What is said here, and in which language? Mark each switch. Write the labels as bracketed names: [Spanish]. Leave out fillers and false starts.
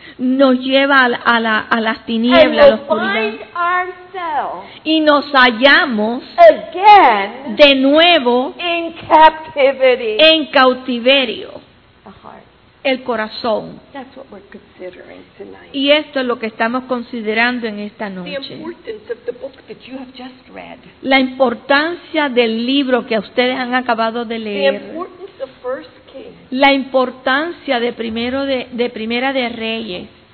[Spanish] Nos lleva a las tinieblas, a la oscuridad. Y nos hallamos [English] again [Spanish] de nuevo [English] in captivity. [Spanish] En cautiverio. El corazón. [English] That's what we're considering tonight. [Spanish] Y esto es lo que estamos considerando en esta noche. [English] The importance of the book that you have just read. [Spanish] La importancia del libro que ustedes han acabado de leer. [English] The importance of First Kings. [Spanish] La importancia de primero de Primera de Reyes.